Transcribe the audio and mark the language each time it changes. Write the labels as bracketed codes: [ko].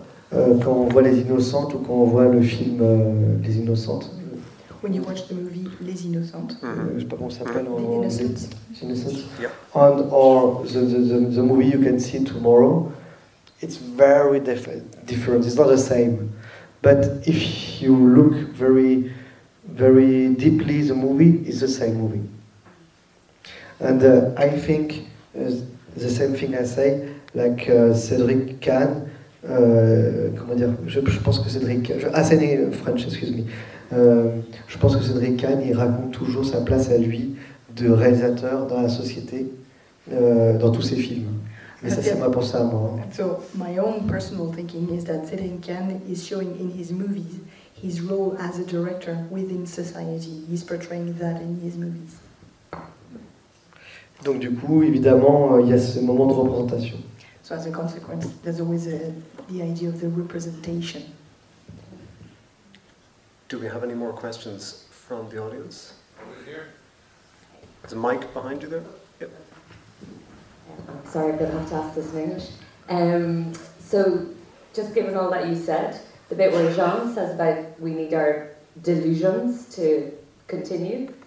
[fr] Quand on voit Les Innocentes ou quand on voit le film Les Innocentes. [en] When you watch the movie Les Innocentes. [fr] Mm-hmm. Je sais pas comment ça s'appelle. Mm-hmm. Les Innocentes. [en] Yeah. And or the movie you can see tomorrow, it's very different. It's not the same. But if you look very, very deeply, the movie is the same movie. Yeah. And I think the same thing I say, like [fr] Cédric Kahn, comment dire, je pense que Cédric, Asséné [en] French, excuse me, [fr] je pense que Cédric Kahn, il raconte toujours sa place à lui de réalisateur dans la société, dans tous ses films. Mais okay. Ça, c'est ma pensée à moi. [en] So, my own personal thinking is that Cédric Kahn is showing in his movies his role as a director within society. He's portraying that in his movies. [fr] Donc du coup, évidemment, il y a ce moment de représentation. [en] So as a consequence, there's always the idea of the representation. Do we have any more questions from the audience? Over here. There's a mic behind you there. Yep. Sorry, I'm going to have to ask this in English. So just given all that you said, the bit where Jean says about we need our delusions to continue.